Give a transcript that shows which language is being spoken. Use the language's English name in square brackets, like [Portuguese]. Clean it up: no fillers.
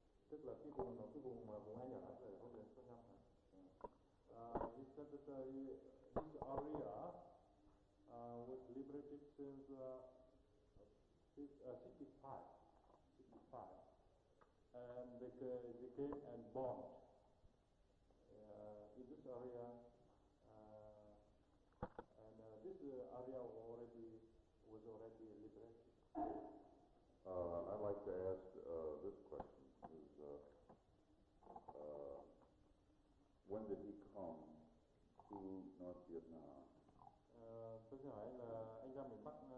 [Vietnamese] Tức là cái vùng nó cái vùng mà vùng hai nhỏ là không được xâm nhập hả? [English] He said that this area was liberated since 65, and they came and bombed in this area, and this area was already liberated. I'd like to ask this question: is when did he come to North Vietnam? [Vietnamese] Tôi xin hỏi là anh ra miền Bắc.